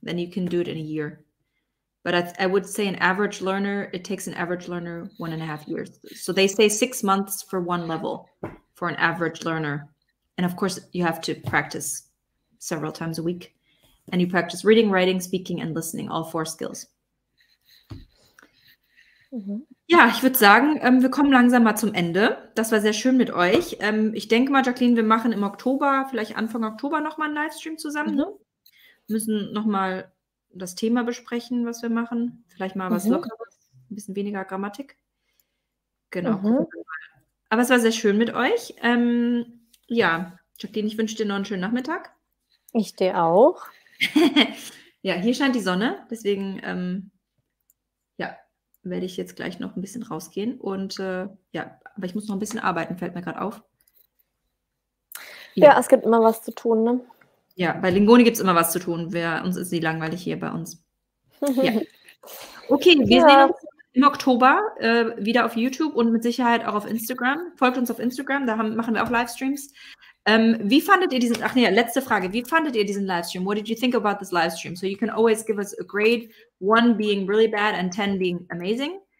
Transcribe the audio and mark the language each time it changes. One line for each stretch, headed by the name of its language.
English: Then you can do it in a year. But I would say an average learner, it takes an average learner 1.5 years. So they say 6 months for one level for an average learner. And of course, you have to practice several times a week. And you practice reading, writing, speaking and listening, all 4 skills. Mhm.
German: Ja, ich würde sagen, wir kommen langsam mal zum Ende. Das war sehr schön mit euch. Ich denke mal, Jacqueline, wir machen im Oktober, vielleicht Anfang Oktober nochmal einen Livestream zusammen. Mhm. Ne? Müssen nochmal das Thema besprechen, was wir machen. Vielleicht mal was Lockeres, ein bisschen weniger Grammatik. Genau. Mhm. Aber es war sehr schön mit euch. Ja, Jacqueline, ich wünsche dir noch einen schönen Nachmittag. Ich dir auch. Ja, hier scheint die Sonne, deswegen ja, werde ich jetzt gleich noch ein bisschen rausgehen und ja, aber ich muss noch ein bisschen arbeiten, fällt mir gerade auf. Ja. Ja, es gibt immer was zu tun, ne? Ja, bei Lingoni gibt es immer was zu tun, uns ist nie langweilig hier bei uns. Ja. Okay, wir sehen uns im Oktober wieder auf YouTube und mit Sicherheit auch auf Instagram. Folgt uns auf Instagram, da machen wir auch Livestreams. Wie fandet ihr diesen, letzte Frage, wie fandet ihr diesen Livestream?
English: What did you think about this Livestream? So you can always give us a grade, 1 being really bad and 10 being amazing.